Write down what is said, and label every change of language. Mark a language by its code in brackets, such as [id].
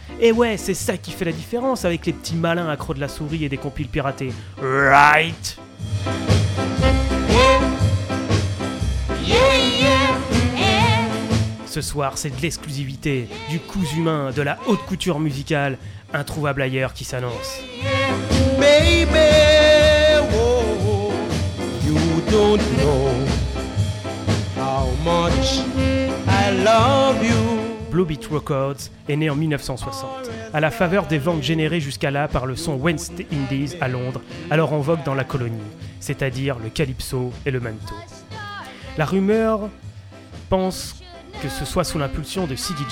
[fr] Et ouais, c'est ça qui fait la différence avec les petits malins accros de la souris et des compiles piratés. [en] Right? [fr] Ce soir, c'est de l'exclusivité, du cousu humain, de la haute couture musicale, introuvable ailleurs qui s'annonce. [en] Baby, oh, you don't know how much I love you. [fr] Blue Beat Records est né en 1960, à la faveur des ventes générées jusqu'à là par le son West Indies à Londres, alors en vogue dans la colonie, c'est-à-dire le calypso et le manto. La rumeur pense que ce soit sous l'impulsion de C.D.